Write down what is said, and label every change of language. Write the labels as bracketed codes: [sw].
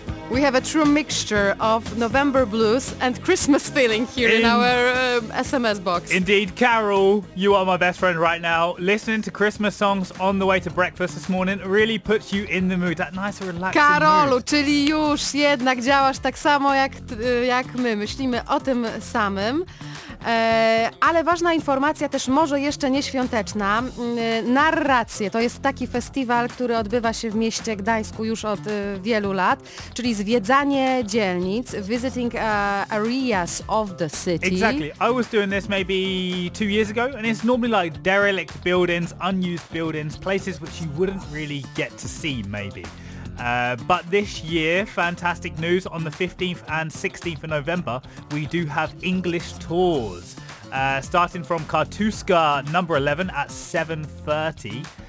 [en] We have a true mixture of November blues and Christmas feeling here in our SMS box. Indeed, Carol, you are my best friend right now. Listening to Christmas songs on the way to breakfast this morning really puts you in the mood, that nice relaxing mood. [pl] Karolu, czyli już jednak działasz tak samo jak my, myślimy o tym samym. Ale ważna informacja też może jeszcze nieświąteczna. Narracje to jest taki festiwal, który odbywa się w mieście Gdańsku już od wielu lat, czyli zwiedzanie dzielnic, [en] visiting areas of the city. Exactly. I was doing this maybe 2 years ago and it's normally like derelict buildings, unused buildings, places which you wouldn't really get to see maybe. But this year, fantastic news, on the 15th and 16th of November, we do have English tours, starting from Kartuska number 11 at 7:30.